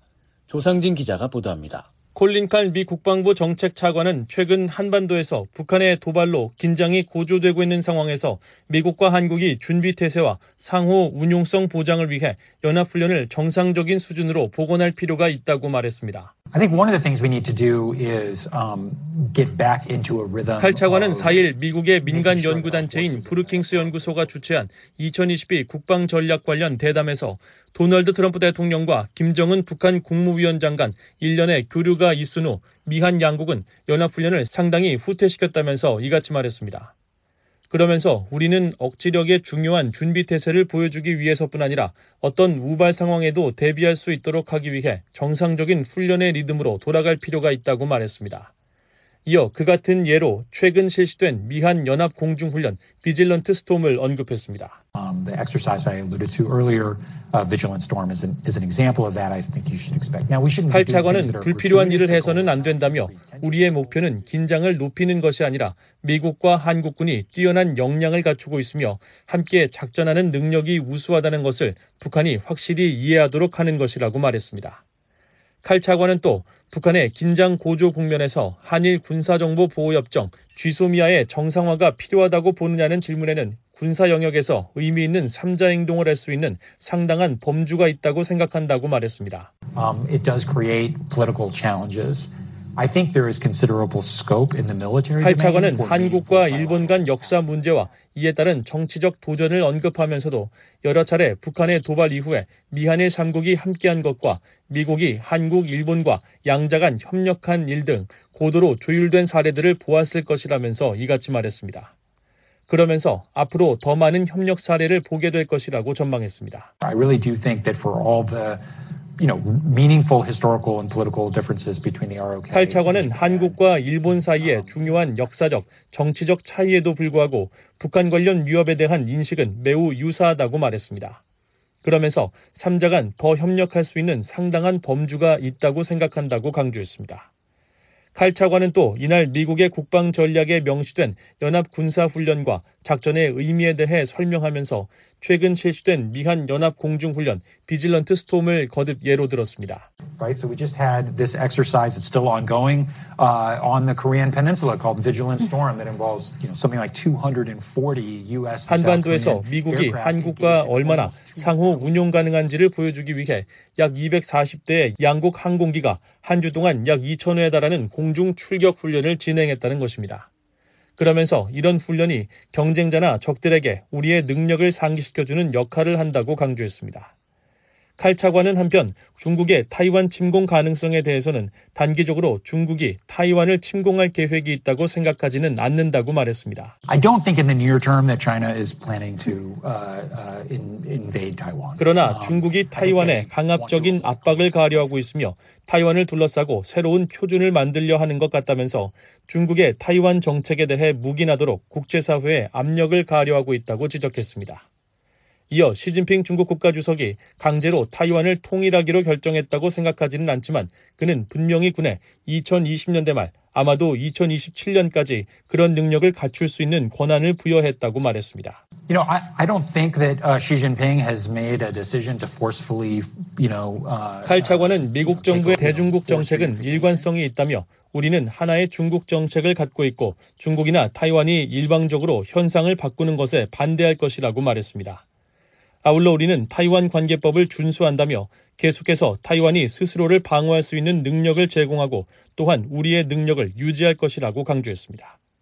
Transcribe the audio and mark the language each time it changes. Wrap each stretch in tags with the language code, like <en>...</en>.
<ko>조상진 기자가 보도합니다. 콜린 칼 미 국방부 정책 차관은 최근 한반도에서 북한의 도발로 긴장이 고조되고 있는 상황에서 미국과 한국이 준비태세와 상호 운용성 보장을 위해 연합훈련을 정상적인 수준으로 복원할 필요가 있다고 말했습니다.</ko> <en>I think one of the things we need to do is get back into a rhythm.</en> <ko>칼 차관은 4일 미국의 민간 연구단체인 브루킹스 연구소가 주최한 2022 국방 전략 관련 대담에서 도널드 트럼프 대통령과 김정은 북한 국무위원장 간 일련의 교류가 있은 후 미한 양국은 연합훈련을 상당히 후퇴시켰다면서 이같이 말했습니다. 그러면서 우리는 억지력의 중요한 준비태세를 보여주기 위해서뿐 아니라 어떤 우발 상황에도 대비할 수 있도록 하기 위해 정상적인 훈련의 리듬으로 돌아갈 필요가 있다고 말했습니다. 이어 그 같은 예로 최근 실시된 미한 연합 공중훈련 비질런트 스톰을 언급했습니다.</ko> <en>The exercise I alluded to earlier, Vigilant Storm, is an example of that. I think you should expect. Now we shouldn't.</en> <ko>할 차관은 불필요한 일을 해서는 안 된다며 우리의 목표는 긴장을 높이는 것이 아니라 미국과 한국군이 뛰어난 역량을 갖추고 있으며 함께 작전하는 능력이 우수하다는 것을 북한이 확실히 이해하도록 하는 것이라고 말했습니다. 칼 차관은 또 북한의 긴장 고조 국면에서 한일 군사정보보호협정 쥐소미아의 정상화가 필요하다고 보느냐는 질문에는 군사 영역에서 의미 있는 3자 행동을 할 수 있는 상당한 범주가 있다고 생각한다고 말했습니다.</ko> <en>It does create political challenges. I think there is considerable scope in the military.</en> <ko>할 차관은 한국과 일본 간 역사 문제와 이에 따른 정치적 도전을 언급하면서도 여러 차례 북한의 도발 이후에 미한의 3국이 함께한 것과 미국이 한국, 일본과 양자 간 협력한 일 등 고도로 조율된 사례들을 보았을 것이라면서 이같이 말했습니다. 그러면서 앞으로 더 많은 협력 사례를 보게 될 것이라고 전망했습니다.</ko> <en>I really do think that for all the meaningful historical and political differences between the ROK.</en> <ko>탈 차관은 한국과 일본 사이의 중요한 역사적, 정치적 차이에도 불구하고 북한 관련 위협에 대한 인식은 매우 유사하다고 말했습니다. 그러면서 3자 간 더 협력할 수 있는 상당한 범주가 있다고 생각한다고 강조했습니다. 칼 차관은 또 이날 미국의 국방 전략에 명시된 연합군사훈련과 작전의 의미에 대해 설명하면서 최근 실시된 미한 연합공중훈련 비질런트 스톰을 거듭 예로 들었습니다.</ko> <en>Right, so we just had this exercise that's still ongoing on the Korean Peninsula called Vigilant Storm that involves something like 240 U.S.</en> <ko>한반도에서 미국이 한국과 얼마나 상호 운용 가능한지를 보여주기 위해 약 240대의 양국 항공기가 한 주 동안 약 2,000회에 달하는 공중 출격 훈련을 진행했다는 것입니다. 그러면서 이런 훈련이 경쟁자나 적들에게 우리의 능력을 상기시켜주는 역할을 한다고 강조했습니다. 칼 차관은 한편 중국의 타이완 침공 가능성에 대해서는 단기적으로 중국이 타이완을 침공할 계획이 있다고 생각하지는 않는다고 말했습니다.</ko> <en>I don't think in the near term that China is planning to invade Taiwan.</en> <ko>그러나 중국이 타이완에 강압적인 압박을 가하려 하고 있으며 타이완을 둘러싸고 새로운 표준을 만들려 하는 것 같다면서 중국의 타이완 정책에 대해 묵인하도록 국제사회에 압력을 가하려 하고 있다고 지적했습니다. 이어 시진핑 중국 국가주석이 강제로 타이완을 통일하기로 결정했다고 생각하지는 않지만 그는 분명히 군에 2020년대 말 아마도 2027년까지 그런 능력을 갖출 수 있는 권한을 부여했다고 말했습니다.</ko> <en>You know, I don't think that Xi Jinping has made a decision to forcefully, you know,</en> <ko>칼 차관은 미국 정부의 대중국 정책은 일관성이 있다며 우리는 하나의 중국 정책을 갖고 있고 중국이나 타이완이 일방적으로 현상을 바꾸는 것에 반대할 것이라고 말했습니다. 아울러 우리는 타이완 관계법을 준수한다며 계속해서 타이완이 스스로를 방어할 수 있는 능력을 제공하고 또한 우리의 능력을 유지할 것이라고 강조했습니다.</ko>